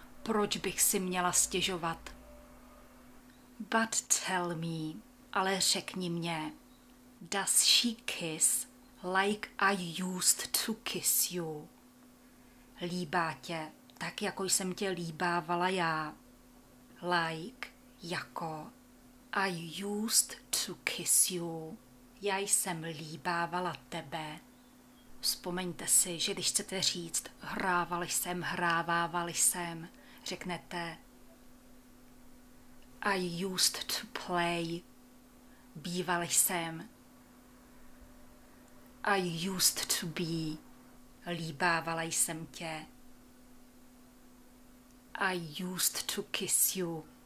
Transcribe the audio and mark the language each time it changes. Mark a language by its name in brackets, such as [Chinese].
[Czech] Proč bych si měla stěžovat? [English] But tell me, [Czech] ale řekni mě. [English] Does she kiss like I used to kiss you? [Czech] Líbá tě, tak jako jsem tě líbávala já. [English] Like, [Czech] jako, [English] I used to kiss you, [Czech] já jsem líbávala tebe. Vzpomeňte si, že když chcete říct, hrávali jsem, hrávávali jsem, řeknete, [English] I used to play, [Czech] bývali jsem, [English] I used to be, [Czech] líbávala jsem tě, [English] I used to kiss you.